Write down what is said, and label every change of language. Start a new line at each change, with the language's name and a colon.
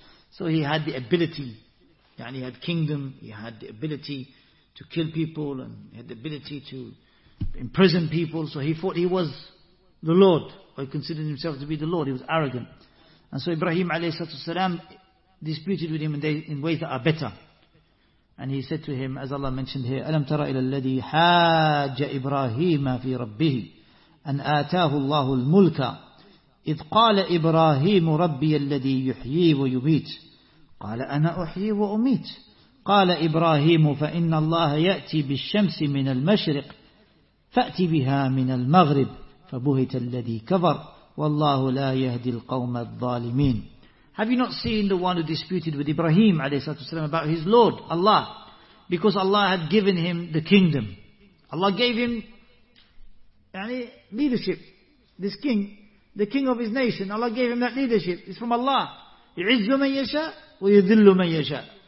English: So he had the ability, يعني he had kingdom, he had the ability to kill people and he had the ability to imprison people. So he thought he was the Lord, or he considered himself to be the Lord. He was arrogant. And so Ibrahim alayhi salam disputed with him in ways that are better.
Arabic: And he said to him, as Allah mentioned here, أَلَمْ تَرَ إِلَى الَّذِي حَاجَ إِبْرَاهِيمَ فِي رَبِّهِ أَنْ آتَاهُ اللَّهُ الْمُلْكَ إِذْ قَالَ إِبْرَاهِيمُ رَبِّيَ الَّذِي يُحْيِي وَيُمِيتُ قَالَ أَنَا أُحْيِي وَأُمِيتُ قَالَ إِبْرَاهِيمُ فَإِنَّ اللَّهَ يَأْتِي بِالشَّمْسِ مِنَ الْمَشْرِقِ فَأْتِ بِهَا مِنَ الْمَغْرِبِ فَبُهِتَ الَّذِي كَفَرْ وَاللَّهُ لَا يَهْدِي الْقَوْمَ الظَّالِمِينَ.
English: Have you not seen the one who disputed with Ibrahim a.s. about his Lord, Allah? Because Allah had given him the kingdom. Allah gave him leadership. This king, the king of his nation, Allah gave him that leadership. It's from Allah.
Arabic: يُعِزُّ مَنْ يَشَاءُ وَيُذِلُّ مَنْ يَشَاءُ.